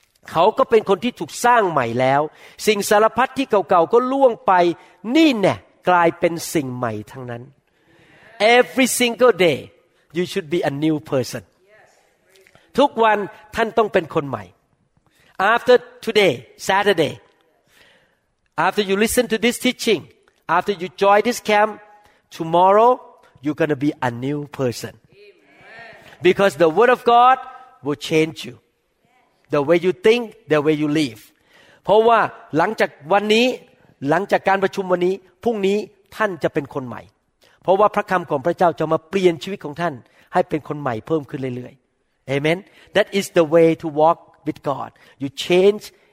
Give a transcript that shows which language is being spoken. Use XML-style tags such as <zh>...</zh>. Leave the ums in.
<th>เขาก็เป็นคนที่ถูกสร้างใหม่แล้ว สิ่งสารพัดที่เก่าๆก็ล่วงไป นี่แน่กลายเป็นสิ่งใหม่ทั้งนั้น</th> <en>every single day you should be a new person</en> <th>ทุกวันท่านต้องเป็นคนใหม่</th> <en>after today Saturday after you listen to this teaching after you join this camp tomorrow you're going to be a new person. Because the word of God will change you. The way you think, the way you live.</en> <th>เพราะว่าหลังจากวันนี้หลังจากการประชุมวันนี้พรุ่งนี้ท่านจะเป็นคนใหม่ เพราะว่าพระคำของพระเจ้าจะมาเปลี่ยนชีวิตของท่านให้เป็นคนใหม่เพิ่มขึ้นเรื่อยๆเอเมน</th> <en>that is the way to walk with God you change</en>